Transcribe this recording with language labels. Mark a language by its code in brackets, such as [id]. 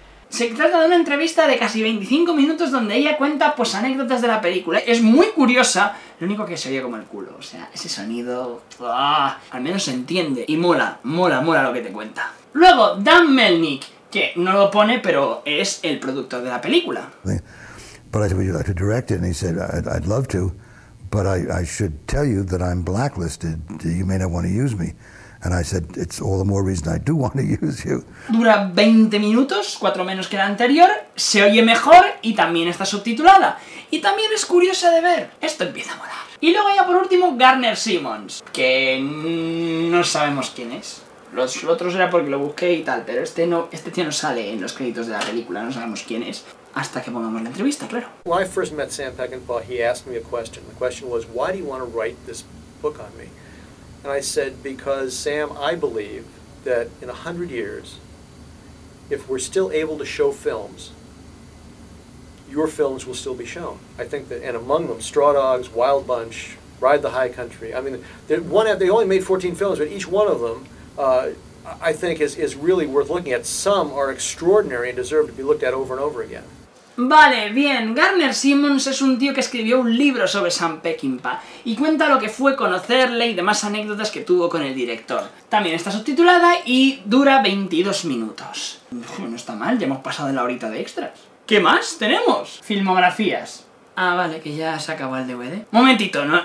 [es] Se trata de una entrevista de casi 25 minutos donde ella cuenta pues anécdotas de la película. Es muy curiosa, lo único que se oye como el culo, o sea, ese sonido... ¡Uah! Al menos se entiende y mola, mola, mola lo que te cuenta. Luego, Dan Melnick, que no lo pone, pero es el productor de la película. [en] But I said, would you like to direct it? And he said, I'd love to, but I should tell you that I'm blacklisted. You may not want to use me. And I said, it's all the more reason I do want to use you. [es] Dura 20 minutos, 4 menos que la anterior, se oye mejor y también está subtitulada. Y también es curiosa de ver. Esto empieza a molar. Y luego ya por último, Garner Simmons, que no sabemos quién es. Los otros era porque lo busqué y tal, pero este no, este tío no sale en los créditos de la película, no sabemos quién es. Hasta que pongamos la entrevista, claro. [en] When I first met Sam Peckinpah, he asked me a question. The question was, why do you want to write this book on me? And I said, because, Sam, I believe that in 100 years, if we're still able to show films, your films will still be shown. I think that, and among them, Straw Dogs, Wild Bunch, Ride the High Country. I mean, they only made 14 films, but each one of them, I think, is really worth looking at. Some are extraordinary and deserve to be looked at over and over again. [es] Vale, bien. Garner Simmons es un tío que escribió un libro sobre Sam Peckinpah y cuenta lo que fue conocerle y demás anécdotas que tuvo con el director. También está subtitulada y dura 22 minutos. Uf, no está mal, ya hemos pasado la horita de extras. ¿Qué más tenemos? Filmografías. Ah, vale, que ya se acabó el DVD. Momentito, ¿no?